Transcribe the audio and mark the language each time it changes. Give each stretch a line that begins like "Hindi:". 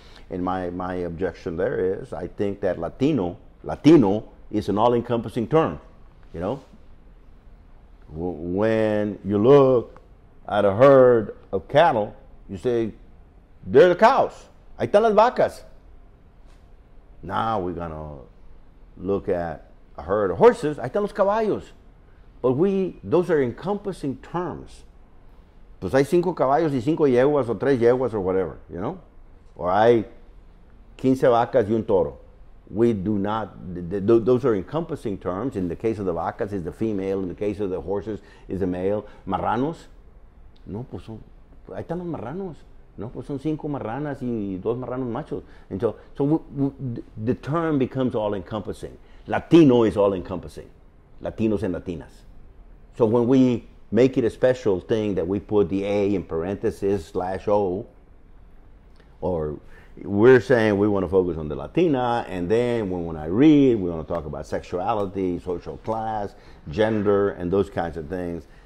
English: And my objection there is I think that Latino is an all-encompassing term, When you look at a herd of cattle, you say, they're the cows.
Spanish: Ahí están las vacas.
English: Now we're going to look at a herd of horses.
Spanish: Ahí están los caballos.
English: But those are encompassing terms.
Spanish: Pues hay cinco caballos y cinco yeguas o tres yeguas
English: or whatever, Or
Spanish: hay 15 vacas y un toro.
English: We do not, those are encompassing terms. In the case of the vacas, it's the female. In the case of the horses, it's the male.
Spanish: Marranos. No, pues son, ahí están los marranos. No, pues son cinco marranas y dos marranos machos.
English: And so the term becomes all-encompassing. Latino is all-encompassing. Latinos and Latinas. So when we make it a special thing that we put the A in parentheses slash O, or we're saying we want to focus on the Latina, and then when I read, we want to talk about sexuality, social class, gender, and those kinds of things.